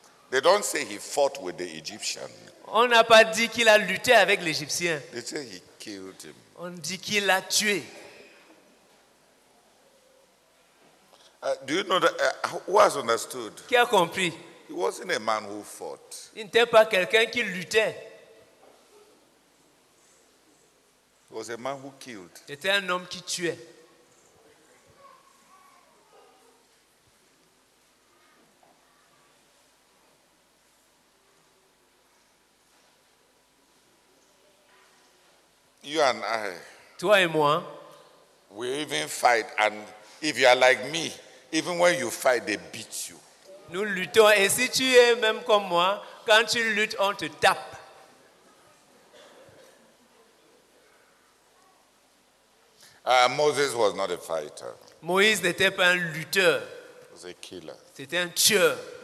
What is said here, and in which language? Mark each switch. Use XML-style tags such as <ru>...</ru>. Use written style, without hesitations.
<en>They don't say he fought with the Egyptian.</en> <fr>On n'a pas dit qu'il a lutté avec l'Égyptien.</fr> <en>They say he killed him.</en> <fr>On dit qu'il l'a tué.</fr> <en>Do you know that, who has understood?</en> <fr>Qui a compris?</fr> <en>He wasn't a man who fought.</en> <fr>Il n'était pas quelqu'un qui luttait.</fr> <en>He was a man who killed.</en> <fr>C'était un homme qui tuait.</fr> <en>You and I.</en> <fr>Toi et moi.</fr> <en>We even fight, and if you are like me, even when you fight, they beat you.</en> <fr>Nous luttons, et si tu es même comme moi, quand tu luttes, on te tape.</fr> <en>Moses was not a fighter.</en> <fr>Moïse n'était pas un lutteur.</fr> <en>He was a killer.</en> <fr>C'était un tueur.</fr>